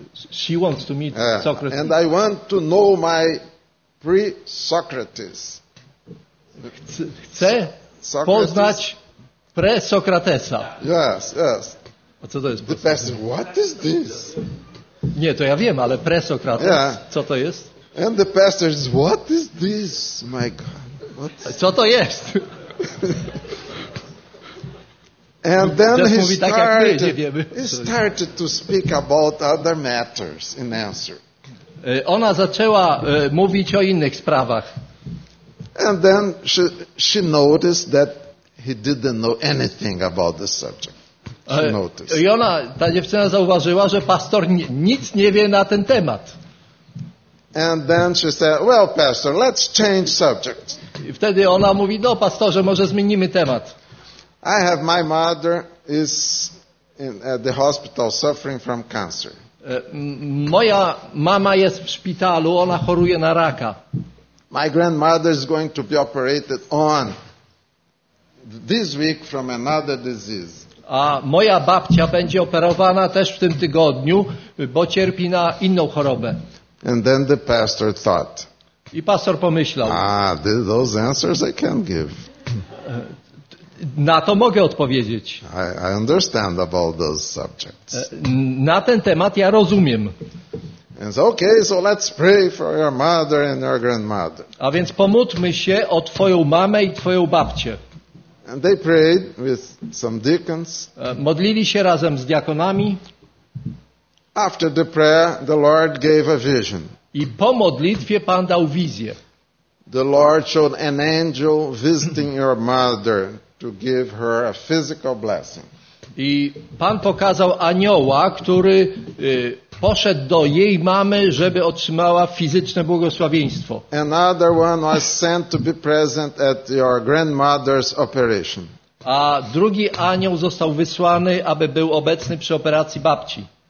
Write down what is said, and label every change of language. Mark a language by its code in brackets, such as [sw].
[en] She wants to meet Socrates. And I want to know my pre-Socrates. [pl] Chcę poznać pre-Sokratesa. [en] Yes. [pl] A co to jest? [en] The pastor, what is this? [pl] Nie, to ja wiem, ale pre-Sokrates, yeah. Co to jest? [en] And the pastor is, what is this, my God? [pl] Co to jest? [en] And then he started to speak about other matters in answer. [pl] Ona zaczęła mówić o innych sprawach. [en] And then she noticed that he didn't know anything about the subject. She noticed. [pl] I ona, ta dziewczyna zauważyła, że pastor nic nie wie na ten temat. [en] And then she said, "Well, pastor, let's change subject." [pl] I wtedy ona mówi, no pastorze, może zmienimy temat. [en] I have my mother is at the hospital suffering from cancer. [pl] Moja mama jest w szpitalu, ona choruje na raka. [en] My grandmother is going to be operated on this week from another disease. [pl] A moja babcia będzie operowana też w tym tygodniu, bo cierpi na inną chorobę. [en] And then the pastor thought. [pl] I pastor pomyślał. [en] Those answers I can give. [pl] Na to mogę odpowiedzieć. [en] I understand about those subjects. [pl] Na ten temat ja rozumiem. [en] So let's pray for your mother and your grandmother. [pl] A więc pomódlmy się o twoją mamę i twoją babcię. [en] And they prayed with some deacons. [pl] Modlili się razem z diakonami. [en] After the prayer, the Lord gave a vision. [pl] I po modlitwie Pan dał wizję. [en] The Lord showed an angel visiting your mother to give her a physical blessing. [pl] I Pan pokazał anioła, który poszedł do jej mamy, żeby otrzymała fizyczne błogosławieństwo. [en] Another one was sent to be present at your grandmother's operation. [pl] A drugi anioł został wysłany, aby był obecny przy operacji babci.